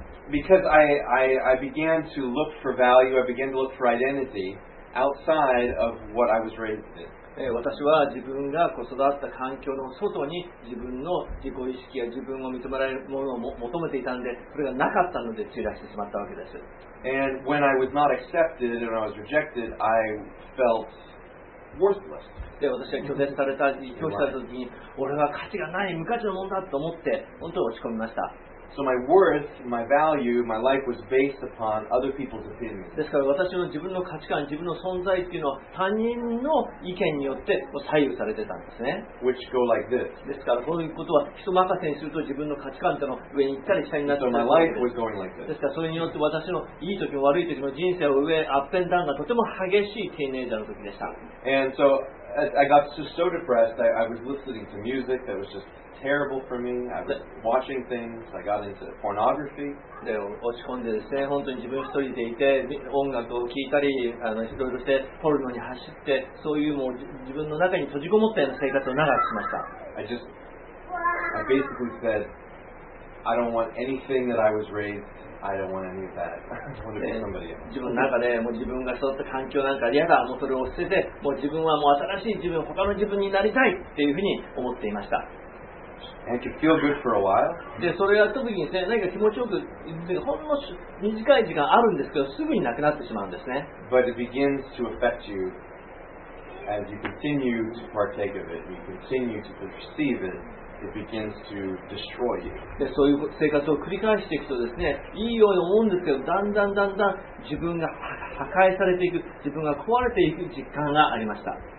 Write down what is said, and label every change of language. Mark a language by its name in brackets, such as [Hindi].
[English] Because I began to look for value, I began to look for identity outside of what I was raised in. [Japanese] 私は自分が育った環境の外に自分の自己意識や自分を認められるものを求めていたので、それがなかったので追い出してしまったわけです。 [English] And when I was not accepted and I was rejected, I felt worthless. [Japanese] で私が拒絶された時、拒否された時に、俺は価値がない、無価値のものだと思って、本当に落ち込みました。 [English] So my worth, my value, my life was based upon other people's opinions. [Japanese] ですから私の自分の価値観、自分の存在っていうのは他人の意見によって左右されてたんですね。 [English] Which go like this. [Japanese] ですからこういうことは人任せにすると自分の価値観っていうのは上に行ったり下になってしまうんです。 [English] So my life was going like this. [Japanese] ですからそれによって私のいい時も悪い時も人生を上、アップエンダウンがとても激しいティーネイジャーの時でした。 [English] And so I got just so depressed, I was listening to music that was justTerrible for me. I was watching things. I got into pornography. [Japanese] で落ち込んでですね、本当に自分一人でいて、音楽を聴いたり、いろいろしてポルノに走って、そういうもう自分の中に閉じこもったような生活を長くしました。 [English] I basically said, I don't want anything that I was raised. I don't want any of that. I want to be somebody else. [Japanese] 自分の中でもう自分が育った環境なんか嫌だ、もうそれを捨てて、もう自分はもう新しい自分、他の自分になりたいっていうふうに思っていました。 [English] And it could feel good for a while. [Japanese] でそれやった時にですね、何か気持ちよく、ほんの短い時間あるんですけど、すぐになくなってしまうんですね。 [English] But it begins to affect you as you continue to partake of it, you continue to perceive it, it begins to destroy you. [Japanese] でそういう生活を繰り返していくとですね、いいように思うんですけど、だんだんだんだん自分が破壊されていく、自分が壊れていく実感がありました。